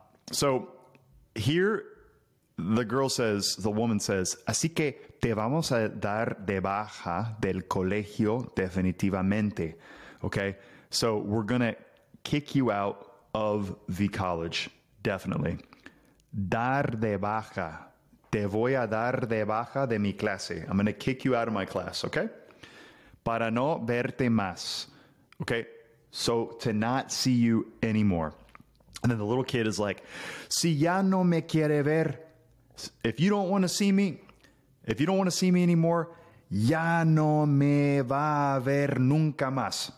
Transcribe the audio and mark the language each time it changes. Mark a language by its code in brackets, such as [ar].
[en] So here the girl says, the woman says, [es] así que te vamos a dar de baja del colegio definitivamente, okay? [en] So we're going to kick you out of the college, definitely. [es] Dar de baja. Te voy a dar de baja de mi clase. [en] I'm going to kick you out of my class, okay? [es] Para no verte más. [en] Okay? So, to not see you anymore. And then the little kid is like, [es] si ya no me quiere ver, [en] if you don't want to see me, if you don't want to see me anymore, [es] ya no me va a ver nunca más.